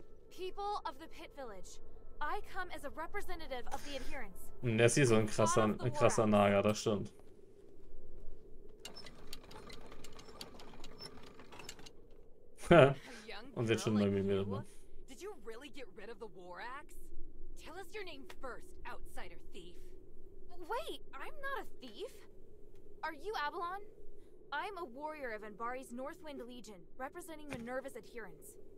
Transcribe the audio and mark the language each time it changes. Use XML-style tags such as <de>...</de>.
<en>people of the Pit Village. I come as a representative of the adherents.</en> <de>Das hier ist so ein krasser Naga, das stimmt. Und jetzt schon bei mir wieder mal.</de> <en>Did you really get rid of the war axe? Tell us your name first, outsider thief. Wait, I'm not a thief. Are you Avalon? I'm a warrior of Anbari's Northwind Legion, representing Minerva's adherents.</en>